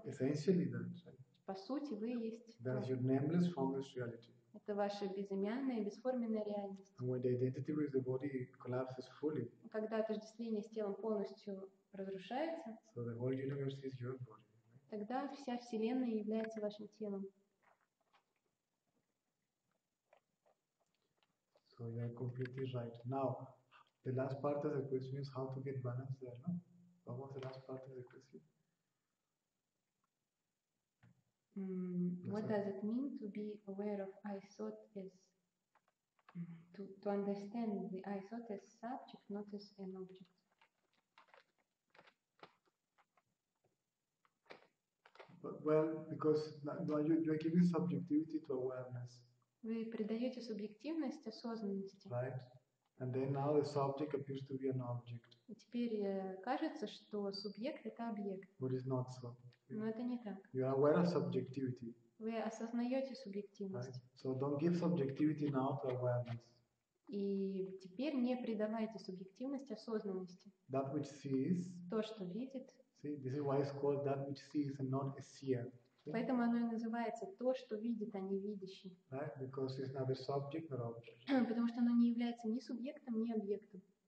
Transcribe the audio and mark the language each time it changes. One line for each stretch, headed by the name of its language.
English: Essentially that.
Russian: По сути, вы есть.
English: That's your nameless, formless reality.
Russian: Это ваша безымянная, бесформенная реальность.
English: And when the identity with the body collapses fully.
Russian: Когда отождествление с телом полностью разрушается,
English: so the whole universe is your body.
Russian: Тогда вся Вселенная является вашим телом.
English: So you are completely right. Now, the last part of the question is how to get balance there, no? What was the last part of the question? What does it mean to be aware of I thought as to understand the I thought as subject, not as an object? But, well, because you are giving subjectivity to awareness.
Russian: Вы придаете субъективность осознанности.
English: Right. And then now the subject appears to be an object.
Russian: И теперь кажется, что субъект это объект.
English: But it's not so.
Russian: Но это не так.
English: You are aware of subjectivity.
Russian: Вы осознаете субъективность.
English: Right. So don't give subjectivity now to awareness.
Russian: И теперь не придавайте субъективность осознанности.
English: That which sees.
Russian: То, что видит.
English: See, this is why it's called that which sees and not a seer.
Russian: Поэтому оно и называется то, что видит, а не видящий.
English: Right? Because it's neither subject nor object.
Russian: Потому что оно не является ни субъектом, ни объектом.